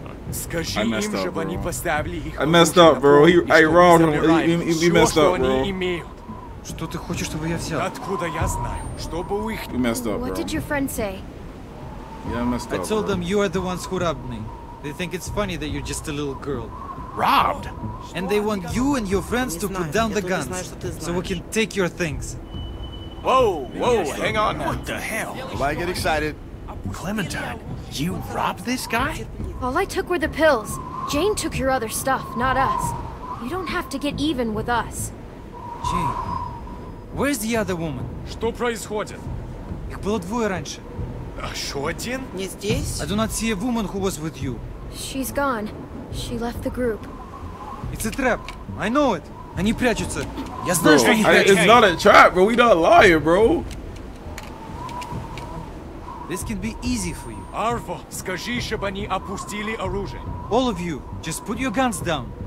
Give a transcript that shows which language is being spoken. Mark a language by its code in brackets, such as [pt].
[ru] Скажи им, чтобы они поставили их. [en] I messed up, bro. I robbed him. He messed up, bro. [ru] Что ты хочешь, чтобы я взял? Откуда я знаю, чтобы у их? [en] You messed up, bro. What did your friend say? Yeah, I messed up. I told them you are the ones who robbed me. They think it's funny that you're just a little girl. Robbed? And they want you and your friends to put down the guns, so we can take your things. Whoa, hang on. What the hell? Why get excited? Clementine, you robbed this guy? All I took were the pills. Jane took your other stuff, not us. You don't have to get even with us. Jane, where's the other woman? [ru] Что происходит? Их было двое раньше. Еще один? Не здесь. [en] I do not see a woman who was with you. She's gone. She left the group. It's a trap. I know it. [ru] Они прячутся. Я знаю, что они прячутся. [en] It's not a trap, bro. We not lying, bro. This can be easy for you. [ru] Арво, скажи, чтобы они опустили оружие. [en] All of you, just put your guns down.